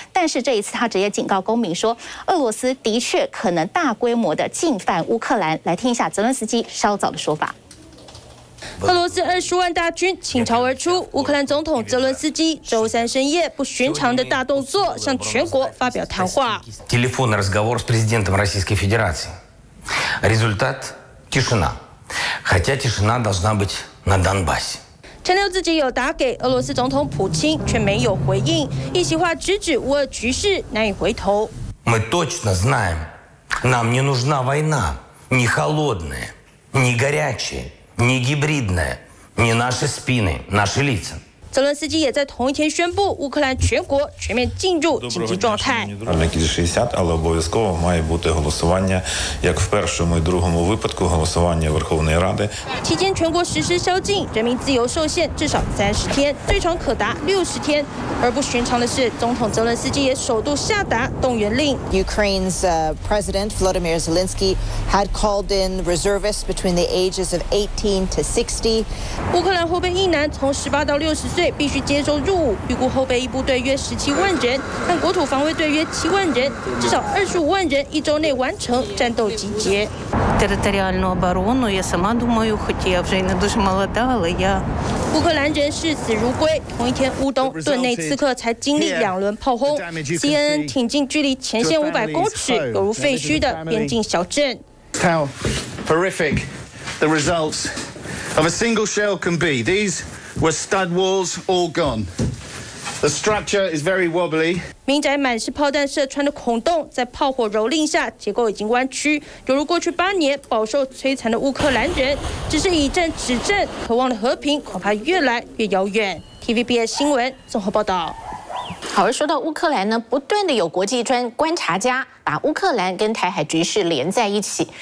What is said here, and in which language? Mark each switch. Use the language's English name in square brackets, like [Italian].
[Chinese] 但是这一次他直接警告公民说，俄罗斯的确可能大规模的进犯乌克兰。来听一下泽伦斯基稍早的说法。俄罗斯200,000大军倾巢而出，乌克兰总统泽伦斯基周三深夜不寻常的大动作，向全国发表谈话。 [Russian] Телефонный разговор с президентом Российской Федерации. Результат – тишина. Хотя тишина должна быть на Донбассе. [Chinese] 陈六自己有打给俄罗斯总统普京，却没有回应，一席话直指乌俄局势难以回头。 [Russian] Мы точно знаем, нам не нужна война, ни холодная, ни горячая. Не гибридная, не наши спины, наши лица. [Chinese] 泽伦斯基也在同一天宣布，乌克兰全国全面进入紧急状态。 [Ukrainian] 60, але обов'язково має бути голосування, як в першому і другому випадку голосування Верховної Ради. [Chinese] 期间全国实施宵禁，人民自由受限至少30天，最长可达60天。而不寻常的是，总统泽伦斯基也首度下达动员令。 [English] Ukraine's President Volodymyr Zelensky had called in reservists between the ages of 18 to 60. [Chinese] 乌克兰后备役男从18到60岁必须接受入伍，预估后备役部队约17万人，但国土防卫队约7万人，至少25万人一周内完成战斗集结。 [Russian] Территориальную оборону я сама думаю хотя уже не дуже молода, але я. [Chinese] 乌克兰人视死如归。同一天，乌东顿内茨克才经历两轮炮轰。 CNN 挺进距离前线500公尺，有如废墟的边境小镇。 [English] How horrific the results of a single shell can be. These. Were stud walls all gone? The structure is very wobbly. [Chinese] 民宅满是炮弹射穿的孔洞，在炮火蹂躏下，结构已经弯曲，犹如过去8年饱受摧残的乌克兰人。只是以战止战，渴望的和平恐怕越来越遥远。 TVBS 新闻综合报道。好，而说到乌克兰呢，不断的有国际观察家把乌克兰跟台海局势连在一起。